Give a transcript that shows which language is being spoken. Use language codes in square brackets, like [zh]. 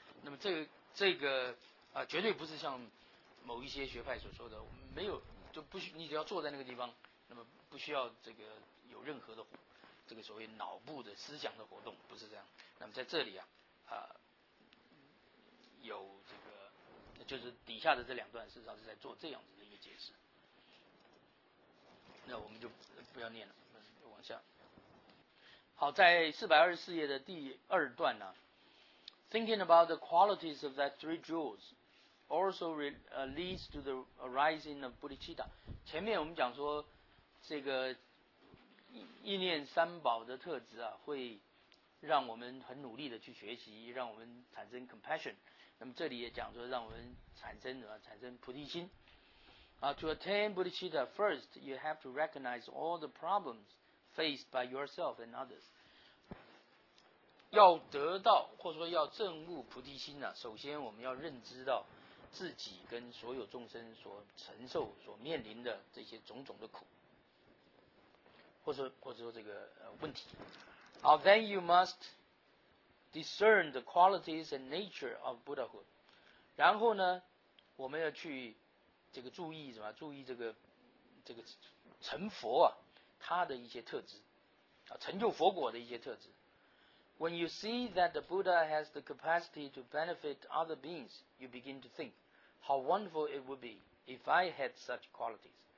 [zh] 那么这个绝对不是像某一些学派所说的，没有就不需你只要坐在那个地方，那么不需要这个有任何的这个所谓脑部的思想的活动，不是这样。那么在这里啊，有这个，就是底下的这两段，事实上是在做这样子的一个解释。那我们就不要念了，我们就往下。好，在424页的第二段呢、 [en] 啊、，Thinking about the qualities of that three jewels also leads to the arising of bodhicitta。 [zh] 前面我们讲说，这个意念三宝的特质啊，会让我们很努力的去学习，让我们产生 compassion。 那么这里也讲说让我们产生什么？产生菩提心 [en] To attain bodhicitta, first, you have to recognize all the problems faced by yourself and others. [zh] 要得到或者说要证悟菩提心、啊、首先我们要认知到自己跟所有众生所承受所面临的这些种种的苦或者说这个、问题。 [en] 好 then you must discern the qualities and nature of Buddhahood. [zh] 然后呢我们要去这个注意什么注意这个成佛啊他的一些特质、啊、成就佛果的一些特质。 [en] When you see that the Buddha has the capacity to benefit other beings, you begin to think, how wonderful it would be if I had such qualities.